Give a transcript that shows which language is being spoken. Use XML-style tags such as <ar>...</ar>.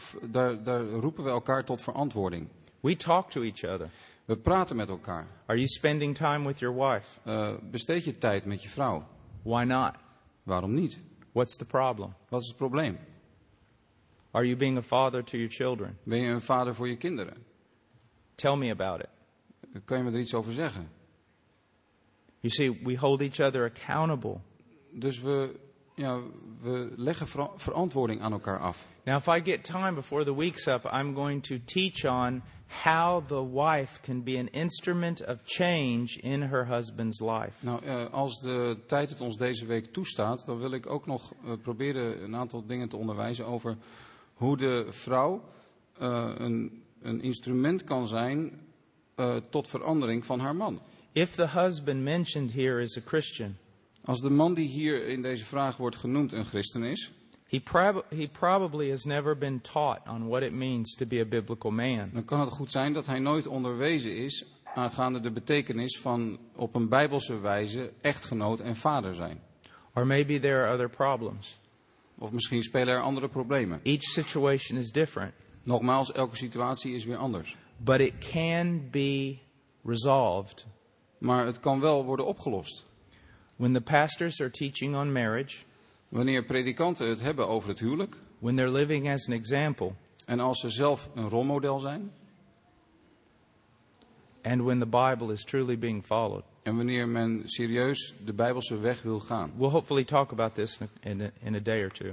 <nl>Daar roepen we elkaar tot verantwoording.</nl> <en>We talk to each other.</en> <nl>We praten met elkaar.</nl> <en>Are you spending time with your wife?</en> <nl>Besteed je tijd met je vrouw?</nl> <en>Why not?</en> <nl>Waarom niet?</nl> <en>What's the problem?</en> <nl>Wat is het probleem?</nl> <en>Are you being a father to your children?</en> <nl>Ben je een vader voor je kinderen?</nl> <en>Tell me about it.</en> <nl>Kun je me er iets over zeggen?</nl> <en>You see, we hold each other accountable.</en> <nl>Dus we leggen verantwoording aan elkaar af.</nl> <en>Now, if I get time before the week's up, I'm going to teach on how the wife can be an instrument of change in her husband's life.</en> <nl>Nou, als de tijd het ons deze week toestaat, dan wil ik ook nog proberen een aantal dingen te onderwijzen over hoe de vrouw een instrument kan zijn tot verandering van haar man.</nl> <en>If the husband mentioned here is a Christian,</en> <nl>als de man die hier in deze vraag wordt genoemd een christen is,</nl> <en>he probably has never been taught on what it means to be a biblical man.</en> <nl>Dan kan het goed zijn dat hij nooit onderwezen is aangaande de betekenis van op een bijbelse wijze echtgenoot en vader zijn.</nl> <en>Or maybe there are other problems.</en> <nl>Of misschien spelen er andere problemen.</nl> <en>Each situation is different.</en> <nl>Nogmaals, elke situatie is weer anders.</nl> <en>But it can be resolved.</en> <nl>Maar het kan wel worden opgelost.</nl> <en>When the pastors are teaching on marriage,</en> <nl>wanneer predikanten het hebben over het huwelijk,</nl> <en>when they're living as an example,</en> <nl>en als ze zelf een rolmodel zijn,</nl> <en>and when the Bible is truly being followed,</en> <nl>en wanneer men serieus de Bijbelse weg wil gaan.</nl> <en>We'll hopefully talk about this in a day or two.</en>